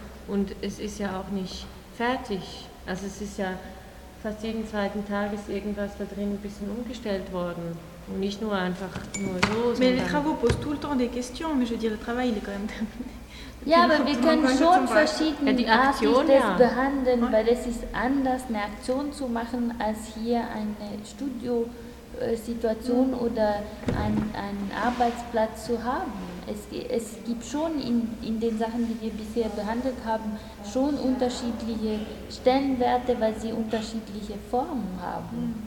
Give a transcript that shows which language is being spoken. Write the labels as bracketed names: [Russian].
[German] Und es ist ja auch nicht fertig. Also es ist ja fast jeden zweiten Tag ist irgendwas da drin ein bisschen umgestellt worden. Und nicht nur einfach nur so. [French] Mais les travaux posent tout le temps des questions, mais je veux dire, le travail est quand même terminé. [German] Ja, aber wir können schon verschiedene Aktionen des behandeln, weil es ist anders, eine Aktion zu machen, als hier eine Studiosituation oder einen Arbeitsplatz zu haben. Es gibt schon in den Sachen, die wir bisher behandelt haben, schon unterschiedliche Stellenwerte, weil sie unterschiedliche Formen haben.